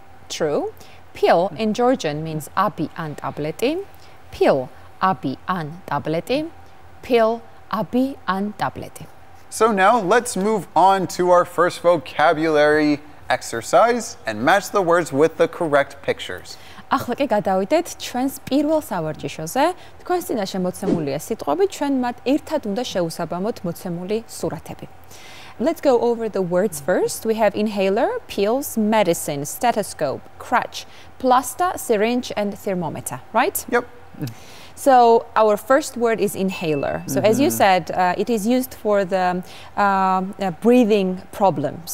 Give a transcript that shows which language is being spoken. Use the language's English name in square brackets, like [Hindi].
[English] True. Pill in Georgian means [Georgian] api an tableti. Pill, api an tableti. Pill, api an tableti. [English] So now let's move on to our first vocabulary exercise and match the words with the correct pictures. [Georgian] ახლა კი გადავიდეთ ჩვენს პირველ სავარჯიშოზე. თქვენს წინაშე მოცემულია სიტყვები, ჩვენ მათ ერთად უნდა შეუსაბამოთ მოცემული სურათები. [English] Let's go over the words first. We have inhaler, pills, medicine, stethoscope, crutch, plaster, syringe and thermometer, right? Yep. So our first word is inhaler. So mm-hmm. as you said, it is used for the breathing problems,